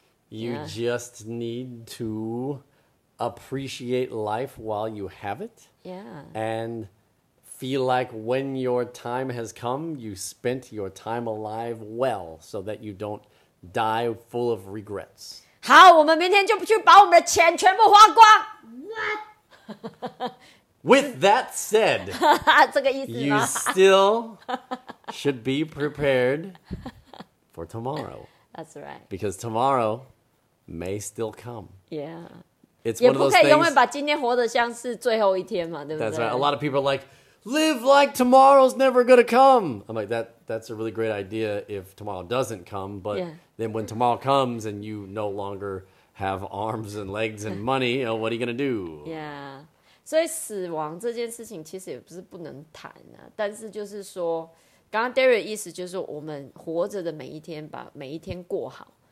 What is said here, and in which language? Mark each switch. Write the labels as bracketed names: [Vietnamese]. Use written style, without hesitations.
[English] You just need to appreciate life while you have it. Yeah. And feel like when your time has come, you spent your time alive well so that you don't Die full of regrets. [Chinese] 好，我们明天就去把我们的钱全部花光。 [English] What? With that said, [Chinese] 这个意思吗? [English] You still should be prepared for tomorrow. That's right. Because tomorrow may still come. Yeah. It's one of those things. [Chinese] 也不可以永远把今天活得像是最后一天嘛，对不对？ [English] That's right. A lot of people are like, live like tomorrow's never gonna come. I'm like, that's a really great idea if tomorrow doesn't come, but then when tomorrow comes and you no longer have arms and legs and money, you know, what are you gonna do? Yeah. [Chinese] 所以死亡这件事情其实也不是不能谈啊，但是就是说， 刚刚Derek的意思就是我们活着的每一天把每一天过好。